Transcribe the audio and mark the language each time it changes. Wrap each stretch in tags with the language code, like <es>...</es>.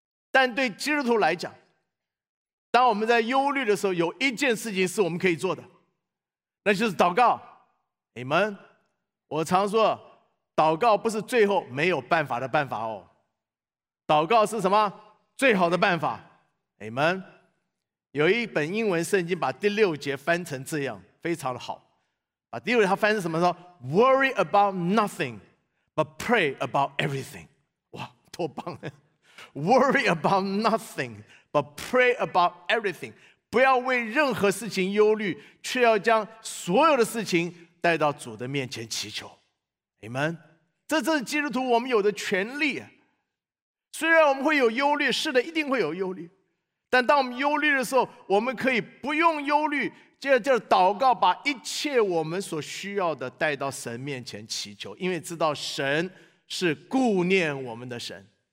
<zh>但对基督徒来讲，当我们在忧虑的时候，有一件事情是我们可以做的，那就是祷告。</zh> <en>Amen。</en> <zh>我常说，祷告不是最后没有办法的办法哦，祷告是什么？最好的办法。Amen。有一本英文圣经把第六节翻成这样，非常的好。把第六节它翻成什么？说</zh> <en>Worry about nothing but pray about everything。</en> <zh>哇，多棒啊。</zh> <en>Worry about nothing, but pray about everything.</en> <zh>不要为任何事情忧虑，却要将所有的事情带到主的面前祈求。</zh> <en>Amen。</en> <zh>这正是基督徒我们有的权利。虽然我们会有忧虑，是的，一定会有忧虑，但当我们忧虑的时候，我们可以不用忧虑，接着祷告，把一切我们所需要的带到神面前祈求，因为知道神是顾念我们的神。</zh>